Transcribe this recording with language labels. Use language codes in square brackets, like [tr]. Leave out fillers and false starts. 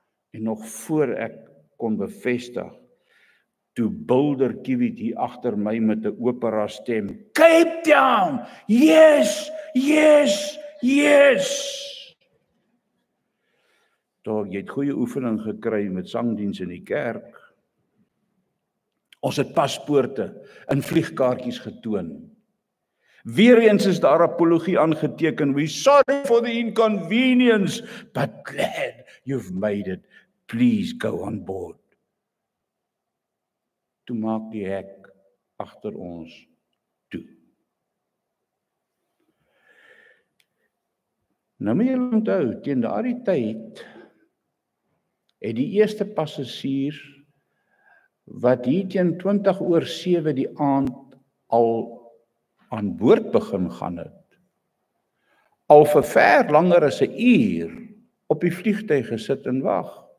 [af] En nog voor ek kon bevestig, toe bulder Kiwi hier agter my met 'n opera stem, [en] "Cape Town! Yes! Yes! Yes!" [af] Toe, jy het goeie oefening gekry met sangdiens in die kerk. Ons het paspoorte en vliegkaartjies getoon. Weereens is daar apologie aangeteken. [en] "We sorry for the inconvenience, but glad you've made it. Please go on board." [af] Toe maak die hek agter ons toe. Nou moet jy onthou, teen daardie tyd het die eerste passasier wat hier teen 20 oor 7 die aand al aan boord begin gaan het, al vir ver langer as 'n uur op die vliegtuig gesit en wag.